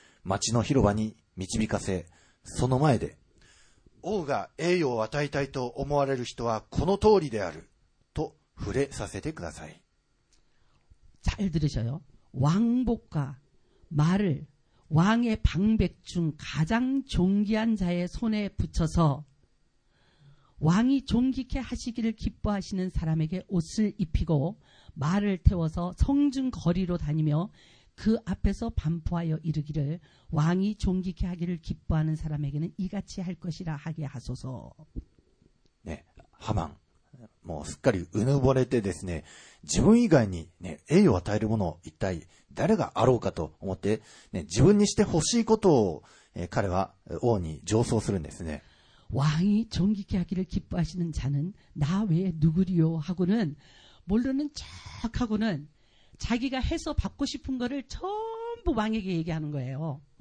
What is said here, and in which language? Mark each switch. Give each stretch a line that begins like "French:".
Japanese: その王服と馬を貴族である王の首長の一人の手に渡し、王が栄誉を与えたいと思われる人に王服と、王服を着させ、その人を馬に乗せて町の広場に導かせ、その前で 王が栄誉を与えたいと思われる人はこの通りであると触れさせてください。
Korean: 잘 들으셔요. 왕복과 말을 왕의 방백 중 가장 존귀한 자의 손에 붙여서 왕이 존귀케 하시기를 기뻐하시는 사람에게 옷을 입히고 말을 태워서 성중 거리로 다니며 그 앞에서 반포하여 이르기를 왕이 존귀케 하기를 기뻐하는 사람에게는 이같이 할 것이라 하게 하소서. 네, 하만.
Japanese: 뭐 すっかり うぬぼれてですね 自分以外に 栄誉を与えるものを一体誰があろうかと思って 自分にしてほしいことを 彼は王に上奏するんですね。
Korean: 왕이 존귀케 하기를 기뻐하시는 자는 나 외에 누구리요 하고는 모르는 척하고는 자기가 해서 받고 싶은 거를 전부 왕에게 얘기하는 거예요.